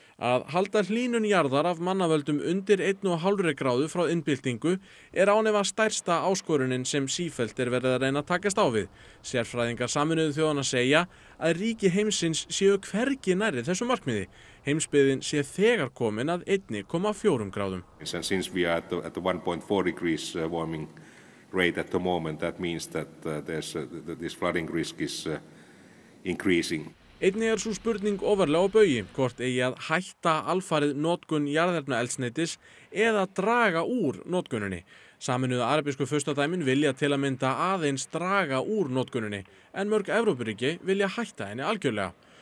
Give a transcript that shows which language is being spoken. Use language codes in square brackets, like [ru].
[is] Að halda hlýnun jarðar af mannavöldum undir 1,5 gráðu frá innbyltingu er án efa stærsta áskorunin sem sífellt verið að reyna að takast á við. Sérfræðingar Sameinuðu þjóðanna segja að ríki heimsins séu hvergi nærri þessu markmiði. Heimsbyggðin sé þegar komin að 1,4 gráðum. [en] And since we are at the 1.4 degrees warming rate at the moment, that means that this flooding risk is increasing. [is] Einnig sú spurning ofarlega á baugi, hvort eigi að hætta alfarið notkun jarðefnaeldsneytis eða draga úr notkununni. Sameinuðu arabísku furstadæmin vilja til að mynda aðeins draga úr notkununni, en mörg Evrópuríki vilja hætta henni algjörlega.